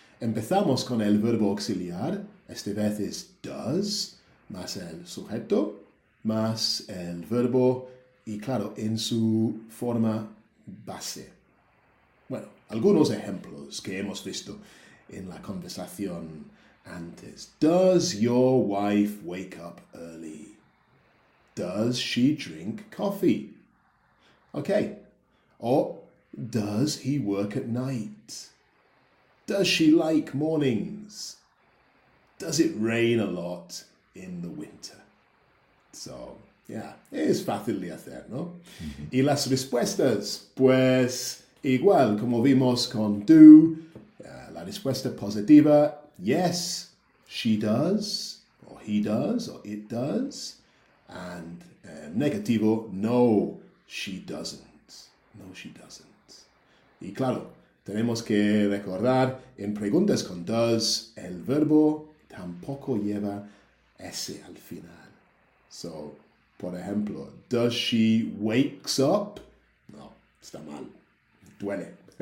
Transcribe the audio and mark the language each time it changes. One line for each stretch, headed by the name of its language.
Spanish: Empezamos con el verbo auxiliar. Esta vez es does, más el sujeto, más el verbo, y claro, en su forma base. Bueno, algunos ejemplos que hemos visto en la conversación antes.
English: Does your wife wake up early? Does she drink coffee? Okay. Or does he work at night? Does she like mornings? Does it rain a lot in the winter? So, yeah,
Spanish: es fácil de hacer, ¿no? Y las respuestas, pues, igual como vimos con do, la respuesta positiva,
English: yes, she does, or he does, or it does. And negativo, no, she doesn't. No, she doesn't.
Spanish: Y claro, tenemos que recordar, en preguntas con does, el verbo tampoco lleva S al final. So, por ejemplo,
English: does she wakes up?
Spanish: No, está mal. Duele.